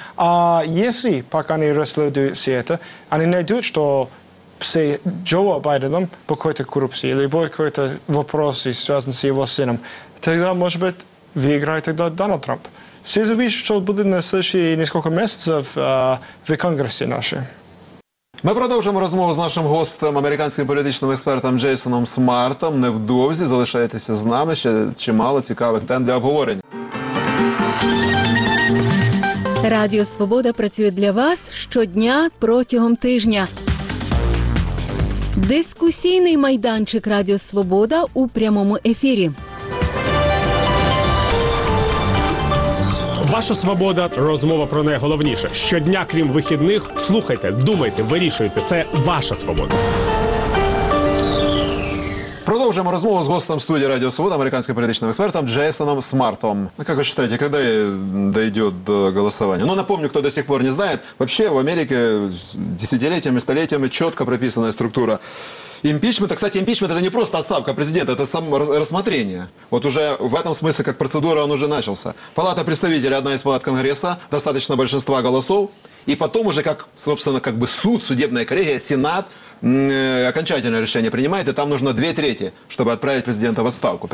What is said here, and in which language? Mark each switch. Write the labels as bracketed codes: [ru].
[ru] А если, пока они расследуют все это, они найдут, что с Джоа Байденом по какой-то коррупции или по какой-то вопросе, связанном с его сыном, тогда, может быть, выиграет тогда Дональд Трамп. Все зависит, что будет на следующие несколько месяцев в Конгрессе нашей. [uk] Ми продовжимо розмову з нашим гостем, американським політичним експертом Джейсоном Смартом. Невдовзі залишайтеся з нами, ще чимало цікавих тем для обговорення. Радіо «Свобода» працює для вас щодня протягом тижня. Дискусійний майданчик «Радіо «Свобода» у прямому ефірі. Ваша свобода, розмова про найголовніше. Щодня, крім вихідних, слухайте, думайте, вирішуйте. Це ваша свобода. продовжуємо розмову з гостем студії Радіо Свобода, американським політичним експертом Джейсоном Смартом. Як ви считаєте, коли дійде до голосування? Ну, напомню, хто до сих пор не знає, вообще в Америці десятиліттями, століттями чітко прописана структура импичмента. [ru] Кстати, импичмент – это не просто отставка президента, это само рассмотрение. Вот уже в этом смысле, как процедура, он уже начался. Палата представителей – одна из палат Конгресса, достаточно большинства голосов. И потом уже, как, собственно, как бы суд, судебная коллегия, Сенат окончательное решение принимает, и там нужно две трети, чтобы отправить президента в отставку.